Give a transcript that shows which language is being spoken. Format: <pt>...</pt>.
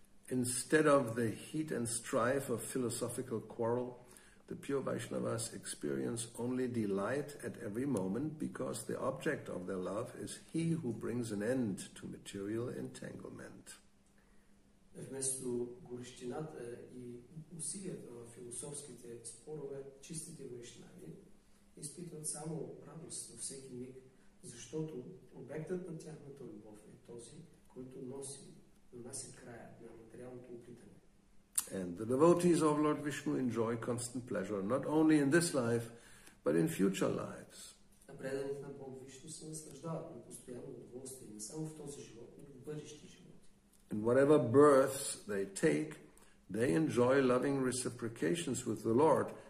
<en>Instead of the heat and strife of philosophical quarrel, the pure Vaishnavas experience only delight at every moment because the object of their love is he who brings an end to material entanglement.</en> <bg>Вместо горещината и усилията на философските спорове, чистите вайшнави изпитват само радост във всеки миг, защото обектът на тяхната любов е този, който носи края на материалното опитане.</bg> <en>And the devotees of Lord Vishnu enjoy constant pleasure not only in this life, but in future lives.</en> <bg>А преданите на Бог Вишну се наслаждават на постоянно удоволствие не само в този живот, но и в бъдещи живот.</bg> <en>In whatever births they take, they enjoy loving reciprocations with the Lord.</en>